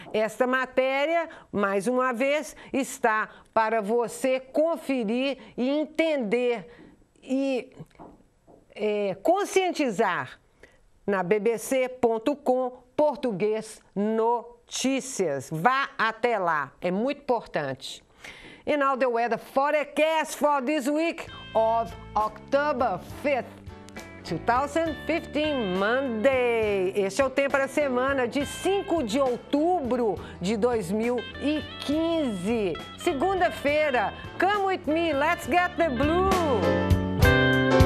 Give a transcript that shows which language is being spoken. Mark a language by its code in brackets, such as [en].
[pt] Esta matéria, mais uma vez, está para você conferir e entender e conscientizar na bbc.com Português Notícias. Vá até lá, é muito importante. [en] And now the weather forecast for this week of October 5th. 2015, Monday. [pt] Este é o tempo da semana de 5 de outubro de 2015. [en] Segunda-feira. Come with me, let's get the blue.